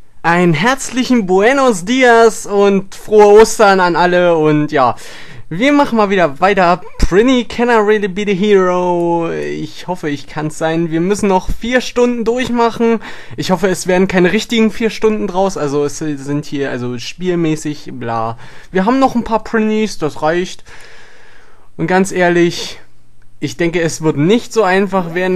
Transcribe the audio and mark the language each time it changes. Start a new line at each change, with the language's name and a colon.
German: Ein herzlichen
Spanish: Buenos Dias
German: und frohe Ostern an alle und ja, wir machen mal wieder weiter.
English: Prinny, can I really be the hero?
German: Ich hoffe, ich kann's sein. Wir müssen noch 4 Stunden durchmachen. Ich hoffe, es werden keine richtigen 4 Stunden draus. Also es sind hier, also spielmäßig, bla. Wir haben noch ein paar Prinnies, das reicht. Und ganz ehrlich, ich denke, es wird nicht so einfach werden.